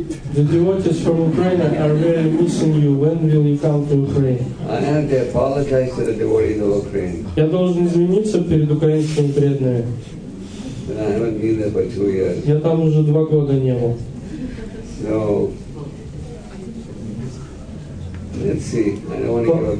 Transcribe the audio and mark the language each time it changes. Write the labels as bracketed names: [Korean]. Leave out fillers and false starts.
[English] The devotees from Ukraine are very missing you. When will you come to Ukraine? I have to apologize to the devotees of Ukraine. [Russian] Я должен извиниться перед украинскими преданными. [English] I haven't been there for 2 years. [Russian] Я там уже 2 года не был. [English] So, let's see. I don't want to give up.